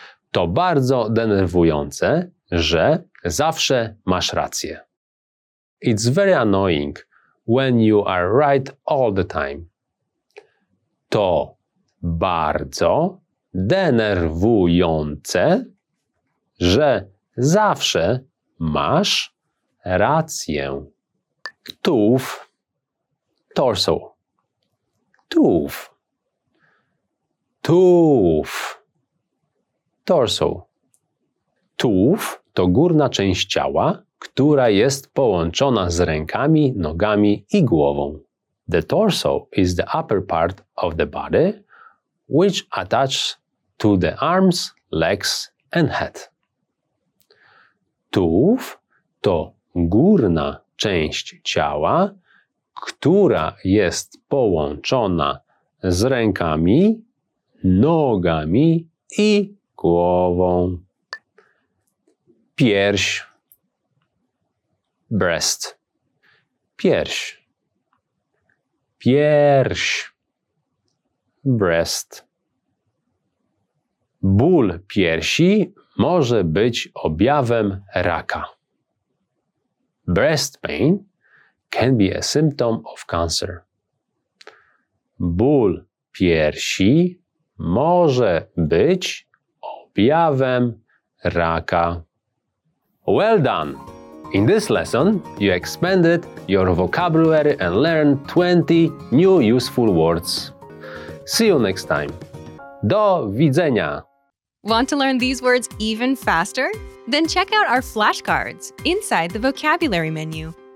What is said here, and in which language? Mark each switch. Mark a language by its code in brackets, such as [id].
[pl] To bardzo denerwujące, że zawsze masz rację. [en] It's very annoying when you are right all the time. [pl] To bardzo denerwujące, że zawsze masz rację. Tułów. Torso. Tułów. Tułów. Torso. Tułów to górna część ciała, która jest połączona z rękami, nogami i głową. [en] The torso is the upper part of the body, which attaches to the arms, legs and head. [pl] Tułów to górna część ciała, która jest połączona z rękami, nogami i głową. Pierś. Breast. Pierś. Pierś. Breast. Ból piersi może być objawem raka. [en] Breast pain can be a symptom of cancer. [pl] Ból piersi może być objawem raka. [en] Well done! In this lesson, you expanded your vocabulary and learned 20 new useful words. See you next time. [pl] Do widzenia! [en] Want to learn these words even faster? Then check out our flashcards inside the vocabulary menu.